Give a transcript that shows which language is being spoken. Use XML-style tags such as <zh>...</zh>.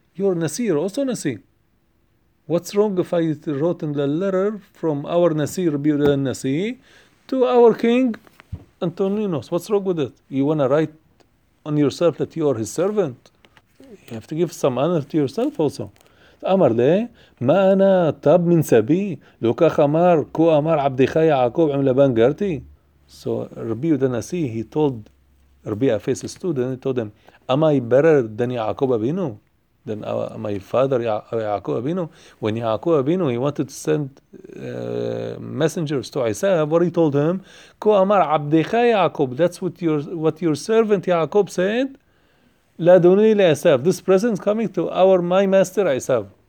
<en>You're Nasi, you're also Nasi. What's wrong if I wrote in the letter from our Nasi, Rabbi Yehuda Nasi, to our king Antoninus? What's wrong with it? You want to write on yourself that you are his servant? You have to give some honor to yourself also.</en> <he>אמר לי,</he> <arc>מה אנא טאב מן סבי?</arc> <he>לא כך אמר, כה אמר עבדך יעקב עם לבן גרתי?</he> <en>So רבי יהודה הנשיא, he told רבי אפס student, he told him, am I better than יעקב אבינו? Than my father יעקב אבינו? When יעקב אבינו, he wanted to send messengers to Esav, what he told him,</en> <he>כה אמר עבדך יעקב,</he> <en>that's what your servant יעקב said, Laduni Esav, this present is coming to my master Esav.</en>